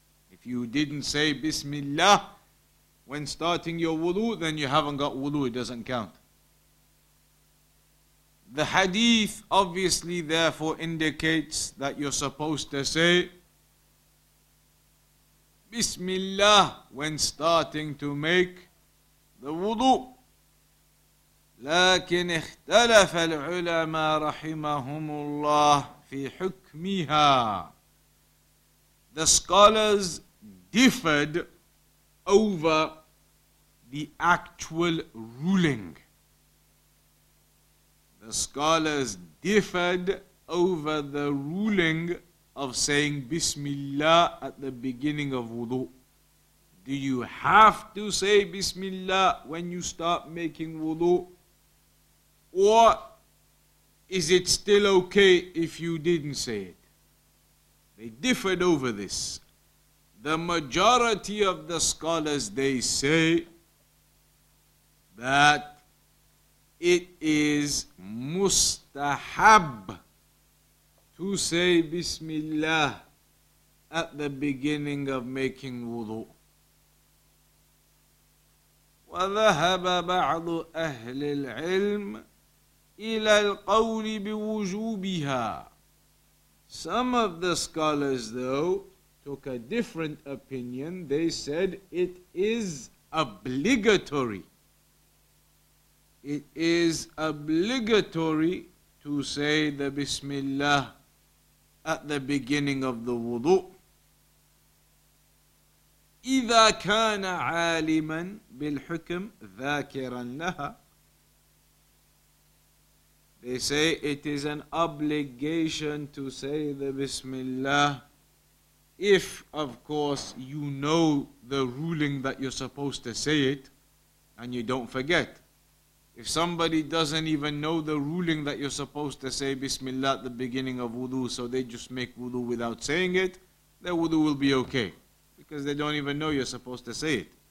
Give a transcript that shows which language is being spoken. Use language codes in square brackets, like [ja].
[en] If you didn't say Bismillah when starting your wudu, then you haven't got wudu, it doesn't count. The hadith obviously therefore indicates that you're supposed to say Bismillah when starting to make the wudu. [ar] لكن اختلف العلماء رحمهم الله في حكمها. [en] The scholars differed over the actual ruling. The scholars differed over the ruling of saying Bismillah at the beginning of wudu. Do you have to say Bismillah when you start making wudu? Or is it still okay if you didn't say it? They differed over this. The majority of the scholars, they say that it is mustahab to say Bismillah at the beginning of making wudu. [ar] وَذَهَبَ بَعْضُ أَهْلِ الْعِلْمِ إلى القول بوجوبها. [en] Some of the scholars though took a different opinion. They said it is obligatory. It is obligatory to say the Bismillah at the beginning of the wudu. [ar] إذا كان عالما بالحكم ذاكرا لها. [en] They say it is an obligation to say the Bismillah If, of course, you know the ruling that you're supposed to say it, and you don't forget. If somebody doesn't even know the ruling that you're supposed to say Bismillah at the beginning of wudu, so they just make wudu without saying it, their wudu will be okay, because they don't even know you're supposed to say it.